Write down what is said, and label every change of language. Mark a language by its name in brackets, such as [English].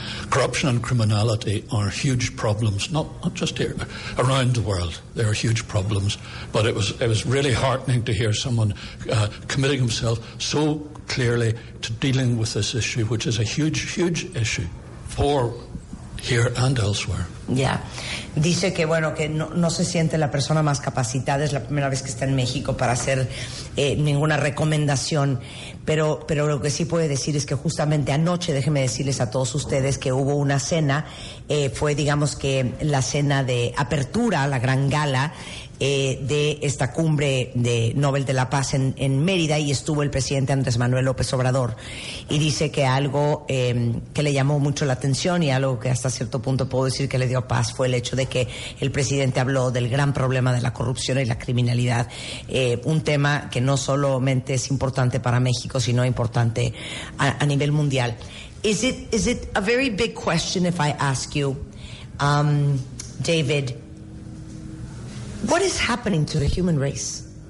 [English] Corruption and criminality are huge problems, not just here, around the world. They are huge problems. But it was really heartening to hear someone committing himself so clearly to dealing with this issue, which is a huge, huge issue for here and elsewhere. Yeah. [Spanish] Dice que, bueno, que no se siente la persona más capacitada, es la primera vez que está en México para hacer ninguna recomendación, pero lo que sí puede decir es que justamente anoche, déjenme decirles a todos ustedes, que hubo una cena, fue, digamos, que la cena de apertura, la gran gala, de esta cumbre de Nobel de la Paz en Mérida, y estuvo el presidente Andrés Manuel López Obrador. Y dice que algo que le llamó mucho la atención y algo que hasta cierto punto puedo decir que le dio paz fue el hecho de que el presidente habló del gran problema de la corrupción y la criminalidad, un tema que no solamente es importante para México, sino importante a nivel mundial. [English] Is it a very big question if I ask you, David, what is happening to the human race?